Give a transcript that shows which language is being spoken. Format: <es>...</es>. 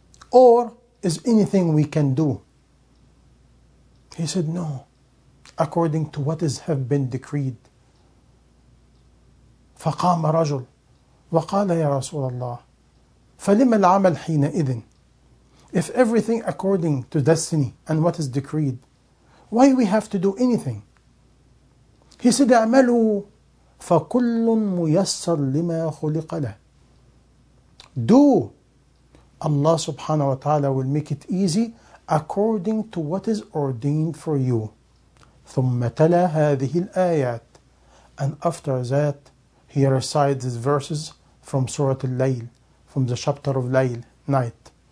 <en>Or is anything we can do? He said, no, according to what is have been decreed.</en> <ar>فَقَامَ رَجُلْ وَقَالَ يَا رَسُولَ اللَّهِ فَلِمَ الْعَمَلْ حِينَ إِذٍ</ar> <en>If everything according to destiny and what is decreed, why we have to do anything? He said,</en> <ar>أَعْمَلُوا فَكُلٌّ مُيَسَّرْ لِمَا خُلِقَ لَهِ</ar> <en>Do! Allah subhanahu wa ta'ala will make it easy according to what is ordained for you.</en> <ar>ثُمَّ تَلَى هَذِهِ الْآيَاتِ</ar> <en>And after that, he recites his verses from Surah Al-Layl, from the chapter of Layl, night.</en>